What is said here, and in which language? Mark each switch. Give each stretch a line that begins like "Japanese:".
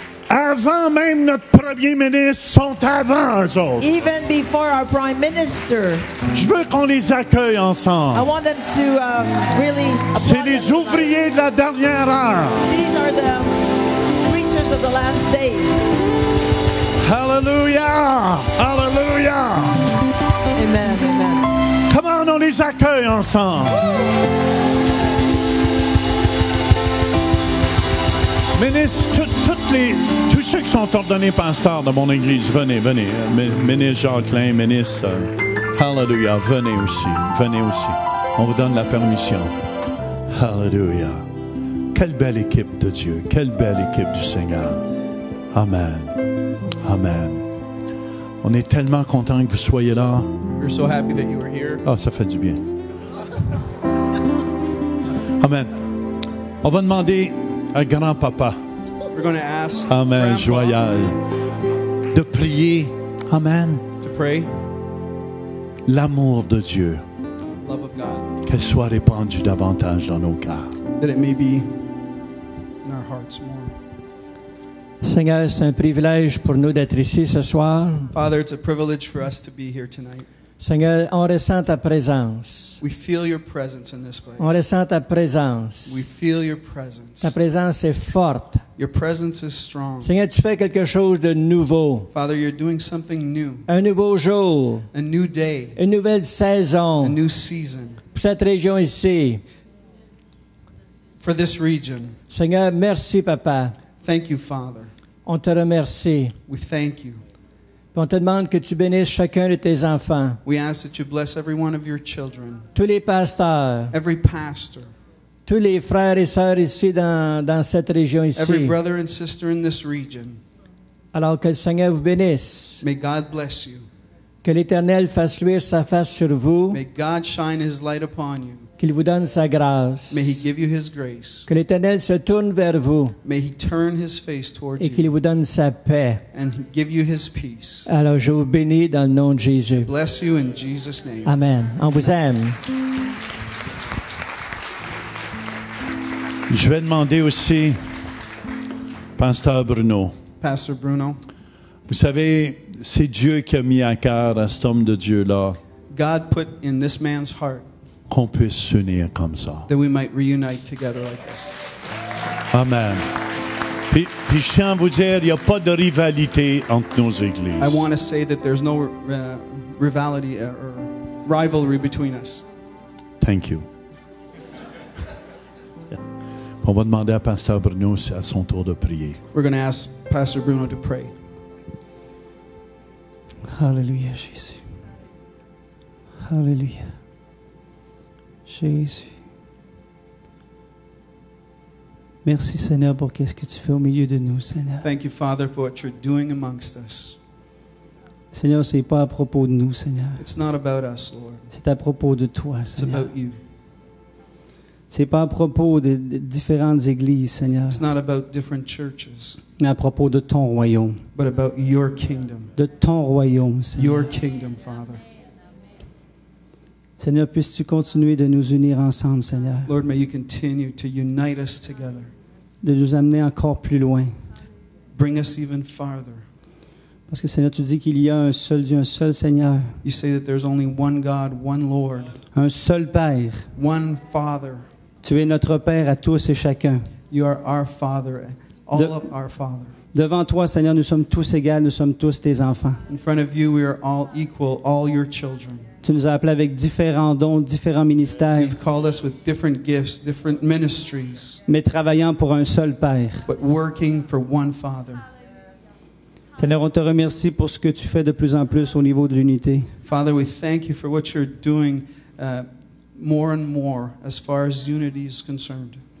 French: Avant même notre premier ministre, sont avant eux autres.
English: Even before our prime minister.
French: Je veux qu'on les accueille ensemble.
English: I want them to really.
French: C'est les ouvriers de la dernière heure.
English: These are the preachers of the last days. Hallelujah! Hallelujah! Amen. Amen. Come on
French: les accueille ensemble. Ministre, tous ceux qui sont ordonnés pasteurs de mon église, venez, venez. Ministre Jacqueline, ministre, hallelujah, venez aussi, venez aussi. On vous donne la permission. Hallelujah. Quelle belle équipe de Dieu, quelle belle équipe du Seigneur. Amen. Amen. On est tellement contents que vous soyez là.
English: We're so happy that you were here.
French: Oh, ça fait du bien. Amen. On va demander à grand-papa
English: We're going to ask
French: Amen, joyeux. De prier. Amen.
English: To pray.
French: L'amour de Dieu.
English: Love of God.
French: Qu'elle soit répandue davantage dans nos cœurs.
English: That it may be in our hearts more.
French: Seigneur, c'est un privilège pour nous d'être ici ce soir.
English: Father, it's a privilege for us to be here tonight.
French: Seigneur, on ressent ta présence.
English: We feel your presence in this place.
French: On ressent ta présence.
English: We feel your presence.
French: Ta présence est forte.
English: Your presence is strong.
French: Seigneur, tu fais quelque chose de nouveau.
English: Father, you're doing something new.
French: Un nouveau jour.
English: A new day.
French: Une nouvelle saison.
English: A new season.
French: Pour cette région ici.
English: For this region.
French: Seigneur, merci papa.
English: Thank you, Father.
French: On te remercie.
English: We thank you.
French: On te demande que tu bénisses chacun de tes enfants.
English: We ask that you bless every one of your children.
French: Tous les pasteurs.
English: Every pastor.
French: Tous les frères et sœurs ici dans cette région ici.
English: Every brother and sister in this region.
French: Alors que le Seigneur vous bénisse.
English: May God bless you.
French: Que l'Éternel fasse luire sa face sur vous.
English: May God shine his light upon you.
French: Qu'il vous donne sa grâce.
English: May he give you his grace.
French: Que l'Éternel se tourne vers vous.
English: May he turn his face towards
French: et qu'il
English: you.
French: Vous donne sa paix.
English: And give you his peace.
French: Alors je vous bénis dans le nom de Jésus.
English: Bless you in Jesus' name.
French: Amen. On vous aime. Je vais demander aussi, Pasteur Bruno.
English: Pastor Bruno.
French: Vous savez, c'est Dieu qui a mis à cœur à cet homme de Dieu-là.
English: God put in this man's heart.
French: Qu'on puisse s'unir comme ça.
English: That we might reunite together like this. Amen.
French: Puis je tiens à vous dire, il n'y a pas de rivalité entre nos églises.
English: I want to say that there's no rivalry or rivalry between us. Thank you.
French: On va demander à Pasteur Bruno à son tour de prier.
English: We're going to ask Pastor Bruno to pray. Alléluia, Jésus. Alléluia. Jésus.
French: Merci, Seigneur, pour qu'est-ce que tu fais au milieu de nous, Seigneur.
English: Thank you, Father, for what you're doing amongst us.
French: Seigneur, ce n'est pas à propos de nous, Seigneur.
English: It's not about us, Lord.
French: C'est à propos de toi, Seigneur.
English: It's about you.
French: Ce n'est pas à propos de différentes églises, Seigneur.
English: It's not about different churches.
French: Mais à propos de ton royaume.
English: But about your kingdom.
French: De ton royaume, Seigneur.
English: Your kingdom, Father.
French: Seigneur, puisses-tu continuer de nous unir ensemble, Seigneur.
English: Lord, may you continue to unite us together.
French: De nous amener encore plus loin.
English: Bring us even farther.
French: Parce que, Seigneur, tu dis qu'il y a un seul Dieu, un seul Seigneur.
English: You say that there's only one God, one Lord.
French: Un seul Père.
English: One Father.
French: Tu es notre Père à tous et chacun.
English: You are our Father, all of our Father.
French: Devant toi, Seigneur, nous sommes tous égaux, nous sommes tous tes enfants.
English: In front of you, we are all equal, all your children.
French: Tu nous as appelés avec différents dons, différents ministères.
English: You've called us with different gifts, different ministries.
French: Mais travaillant pour un seul Père.
English: But working for one Father.
French: Seigneur, on te remercie pour ce que tu fais de plus en plus au niveau de l'unité.
English: Father, we thank you for what you're doing more and more as far as unity is concerned.